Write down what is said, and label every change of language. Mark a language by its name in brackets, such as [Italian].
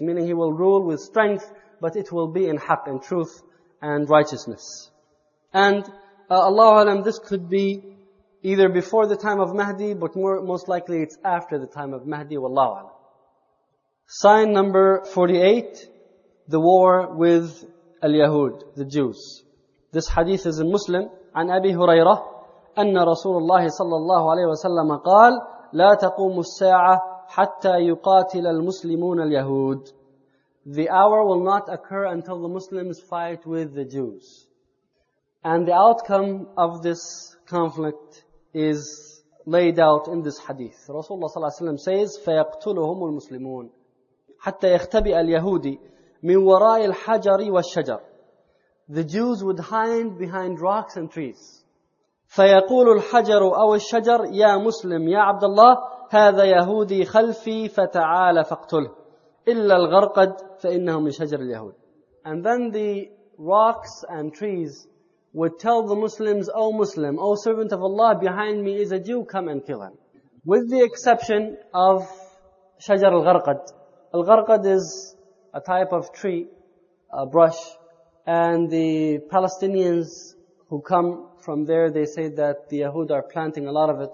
[English] Meaning he will rule with strength, but it will be in haq and truth and righteousness. And Allahu alam, this could be either before the time of Mahdi, but most likely it's after the time of Mahdi, wallahu alam. Sign number 48, the war with al-Yahud, the Jews. This hadith is in Muslim, [Arabic] عن أبي هريرة. أن رسول الله صلى الله عليه وسلم قال لا تقوم الساعة حتى يقاتل المسلمون اليهود. [English] The hour will not occur until the Muslims fight with the Jews. And the outcome of this conflict is laid out in this hadith. [Arabic] Rasulullah صلى الله عليه وسلم [English] says [Arabic] فيقتلهم المسلمون حتى يختبئ اليهود من وراء الحجر والشجر. [English] The Jews would hide behind rocks and trees. [Arabic] فيقول الحجر أو الشجر يا مسلم يا عبد الله هذا يهودي خلفي فتعال فاقتله إلا الغرقد فإنه من شجر اليهود. [English] And then the rocks and trees would tell the Muslims, O Muslim, O servant of Allah, behind me is a Jew, come and kill him. With the exception of [Arabic] شجر الغرقد. [English] الغرقد is a type of tree, a brush, and the Palestinians who come from there, they say that the Yahud are planting a lot of it.